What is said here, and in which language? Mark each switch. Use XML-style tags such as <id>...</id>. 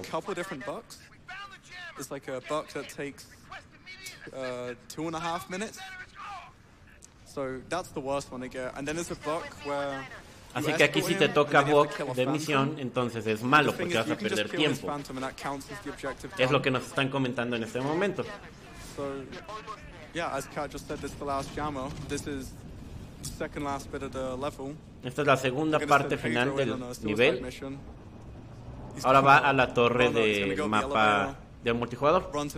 <en>There's a couple of different bucks. It's like a buck that takes 2.5 minutes. So that's the worst one to get. And then there's a buck where.</en> <es>Así que aquí si te toca Buck de misión, entonces es malo porque vas a perder tiempo. Es lo que nos están comentando en este momento.</es> <en>So, yeah, as Kat just said, this is the last jammer. This is the second last bit of the level.</en> <es>Esta es la segunda parte final del nivel. Ahora va a la torre de mapa del multijugador.</es>